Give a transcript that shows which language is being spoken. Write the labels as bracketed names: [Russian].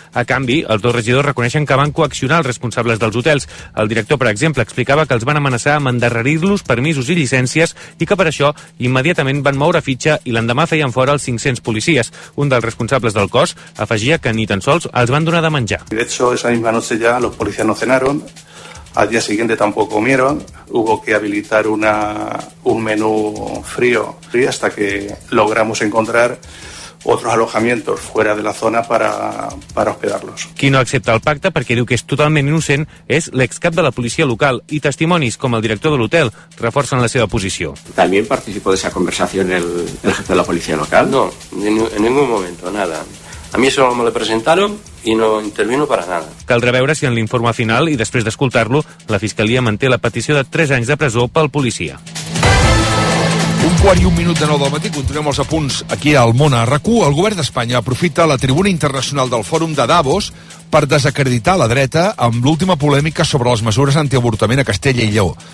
[Catalan] A canvi, els dos regidors reconeixen que van coaccionar els responsables dels hotels. El director, per exemple, explicava que els van amenaçar amb endarrerir-los permisos i llicències i que per això immediatament van moure fitxa i l'endemà feien fora els 500 policies. Un dels responsables del cos afegia que ni tan sols els van donar de menjar. [Spanish] De hecho, esa misma noche ya los policías no cenaron. Al día siguiente tampoco comieron, hubo que habilitar un menú frío y hasta que logramos encontrar otros alojamientos fuera de la zona para hospedarlos. [Catalan] Qui no accepta el pacte perquè diu que és totalment innocent és l'excap de la policia local i testimonis com el director de l'hotel reforcen la seva posició. [Spanish] ¿También participó de esa conversación el jefe de la policía local? No, en ningún momento, nada. A mi solo me lo presentaron y no intervino para nada. [Catalan] Caldrà veure si en l'informe final i després d'escoltar-lo, la Fiscalia manté la petició de 3 anys de presó pel policia. Un quart i un minut de 9 del matí, continuem els apunts aquí al Món a RAC1. El govern d'Espanya aprofita la tribuna internacional del Fòrum de Davos per desacreditar la dreta amb l'última polèmica sobre les mesures antiavortament a Castella i Lleó.